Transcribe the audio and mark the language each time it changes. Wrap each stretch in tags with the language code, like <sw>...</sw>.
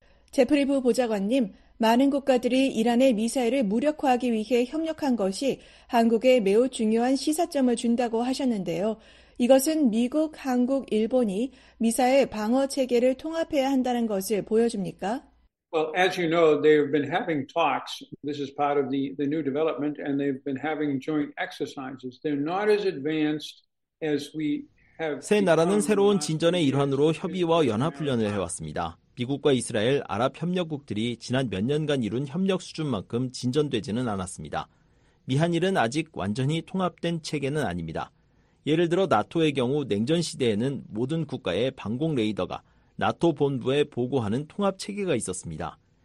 <ko>제프리 부 보좌관님, 많은 국가들이 이란의 미사일을 무력화하기 위해 협력한 것이 한국에 매우 중요한 시사점을 준다고 하셨는데요. 이것은 미국, 한국, 일본이 미사일 방어 체계를 통합해야 한다는 것을 보여줍니까?</ko> <en>Well, as you know, they've been having talks. This is part of the new development, and they've been having joint exercises. They're not as advanced as we have.</en> <ko>세 나라는 새로운 진전의 일환으로 협의와 연합훈련을 해왔습니다. 미국과 이스라엘, 아랍협력국들이 지난 몇 년간 이룬 협력 수준만큼 진전되지는 않았습니다. 미한일은 아직 완전히 통합된 체계는 아닙니다. 예를 들어 나토의 경우 냉전 시대에는 모든 국가의 방공 레이더가 나토 본부에 보고하는 통합 체계가 있었습니다.</ko>